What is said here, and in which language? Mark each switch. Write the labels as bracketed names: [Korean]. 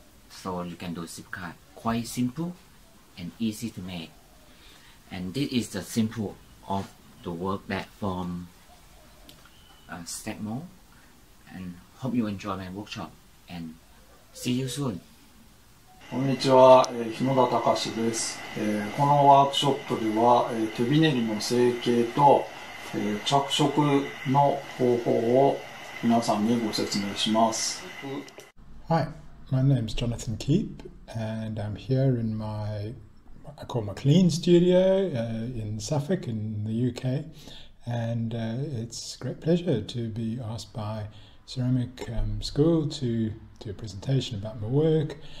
[English] So you can do zip cut. Quite simple and easy to make. And this is the simple of the work that form stack mold. And hope you enjoy my workshop and see you soon. [Japanese] こんにちは、日野田隆です。このワークショップでは、手びねりの成形と、着色の方法を皆さんにご説明します。 [English] Hi, my name is Jonathan Keep, and I'm here in my, I call my clean studio, in Suffolk in the UK, and it's a great pleasure to be asked by Ceramic School to do a presentation about my work.